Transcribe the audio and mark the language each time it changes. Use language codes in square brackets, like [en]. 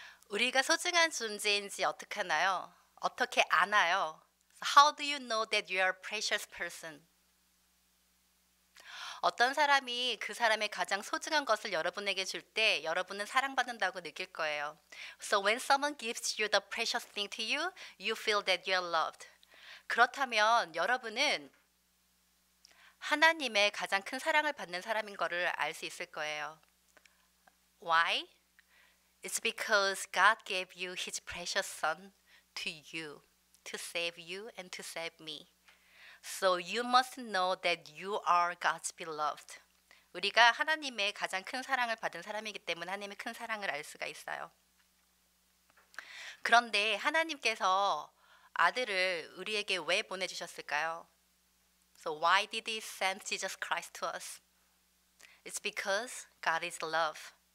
[ko] 우리가 소중한 존재인지 어떻게 하나요? 어떻게 아나요? [en] How do you know that you are a precious person? [ko] 어떤 사람이 그 사람의 가장 소중한 것을 여러분에게 줄때 여러분은 사랑받는다고 느낄 거예요. [en] So when someone gives you the precious thing to you, you feel that you are loved. [ko] 그렇다면 여러분은 하나님의 가장 큰 사랑을 받는 사람인 것을 알수 있을 거예요. [en] Why? It's because God gave you His precious Son to you, to save you and to save me. So you must know that you are God's beloved. [ko] 우리가 하나님의 가장 큰 사랑을 받은 사람이기 때문에 하나님의 큰 사랑을 알 수가 있어요. 그런데 하나님께서 아들을 우리에게 왜 보내주셨을까요? [en] So why did he send Jesus Christ to us? It's because God is love.